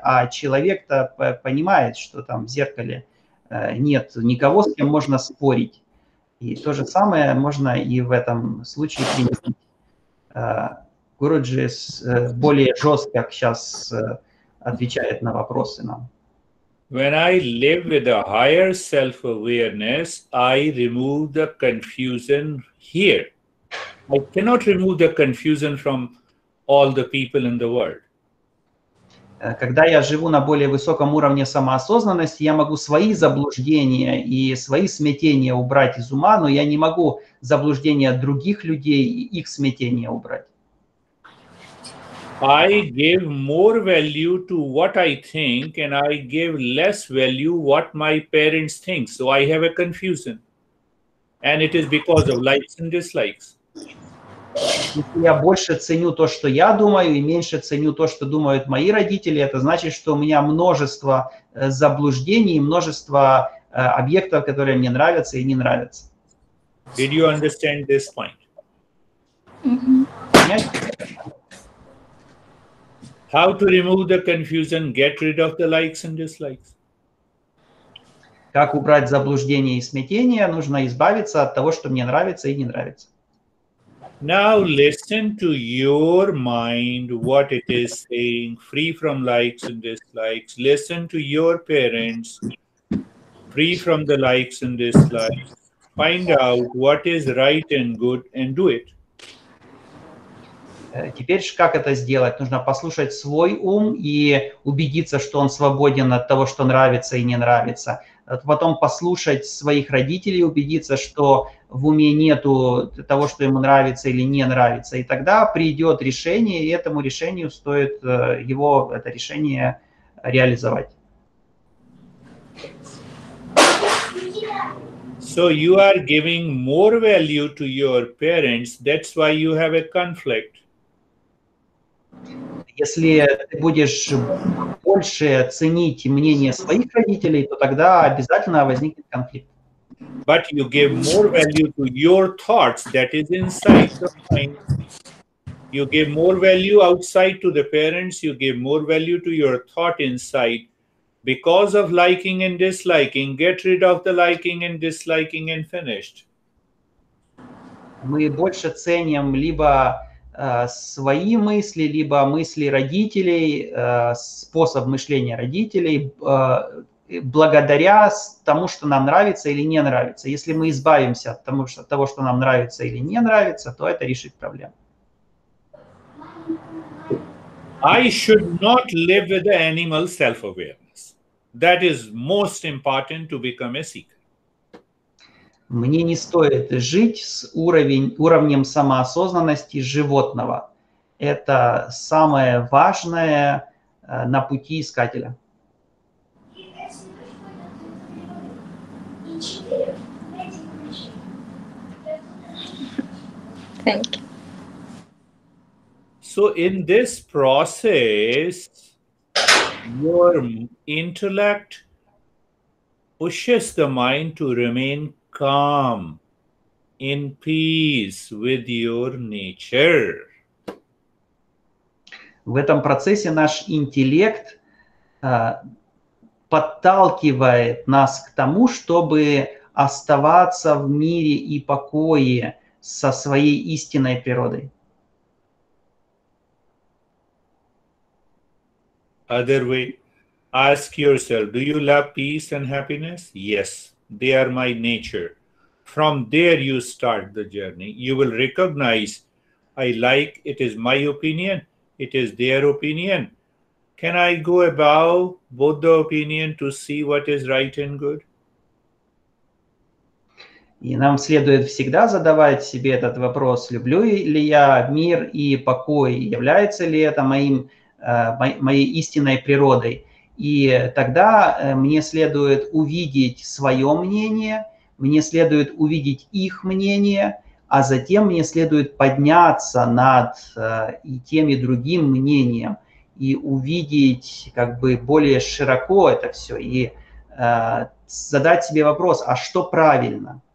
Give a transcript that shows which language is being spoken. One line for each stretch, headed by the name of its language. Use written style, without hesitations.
Russian: А человек-то понимает, что там в зеркале нет никого, с кем можно спорить. И то же самое можно и в этом случае применить. Гуруджи более жестко сейчас отвечает на вопросы нам.
English: When I live with a higher self-awareness, I remove the confusion here. I cannot remove the confusion from all the people in the world.
Russian: Когда я живу на более высоком уровне самоосознанности, я могу свои заблуждения и свои смятения убрать из ума, но я не могу заблуждения других людей и их смятения убрать.
English: I give more value to what I think, and I give less value what my parents think. So I have a confusion, and it is because of likes and dislikes.
Russian: Я больше ценю то, что я думаю, и меньше ценю то, что думают мои родители. Это значит, что у меня множество заблуждений, множество объектов, которые мне нравятся и не нравятся.
English: Did you understand this point? How to remove the confusion, get rid of the likes and dislikes.
Russian: Как убрать заблуждение и смятение? Нужно избавиться от того, что мне нравится и не нравится.
English: Now listen to your mind, what it is saying, free from likes and dislikes. Listen to your parents, free from the likes and dislikes. Find out what is right and good and do it.
Russian: Теперь же как это сделать? Нужно послушать свой ум и убедиться, что он свободен от того, что нравится и не нравится. Потом послушать своих родителей, убедиться, что в уме нету того, что ему нравится или не нравится. И тогда придет решение, и этому решению стоит его, это решение, реализовать.
English: So you are giving more value to your parents, that's why you have a conflict.
Russian: Если ты будешь больше ценить мнение своих родителей, то тогда обязательно возникнет конфликт.
English: But you give more value to your thoughts that is inside the mind. You give more value outside to the parents, you give more value to your thought inside. Because of liking and disliking, get rid of the liking and disliking and finished.
Russian: Мы больше ценим либо свои мысли, либо мысли родителей, способ мышления родителей, благодаря тому, что нам нравится или не нравится. Если мы избавимся от того, что, нам нравится или не нравится, то это решит проблему.
English: I should not live with the animal self-awareness. That is most important to become a seeker.
Russian: Мне не стоит жить с уровнем самоосознанности животного. Это самое важное на пути искателя.
English: Thank you. So in this process, your intellect pushes the mind to remain calm, in peace with your nature.
Russian: В этом процессе наш интеллект подталкивает нас к тому, чтобы оставаться в мире и покое со своей истинной природой.
English: Other way, ask yourself, do you love peace and happiness? Yes, they are my nature. From there you start the journey. You will recognize, I like, it is my opinion, it is their opinion. Can I go above both the opinion to see what is right and good?
Russian: И нам следует всегда задавать себе этот вопрос, люблю ли я мир и покой, является ли это моей истинной природой. И тогда мне следует увидеть свое мнение, мне следует увидеть их мнение, а затем мне следует подняться над и тем, и другим мнением и увидеть как бы более широко это все и задать себе вопрос, а что правильно?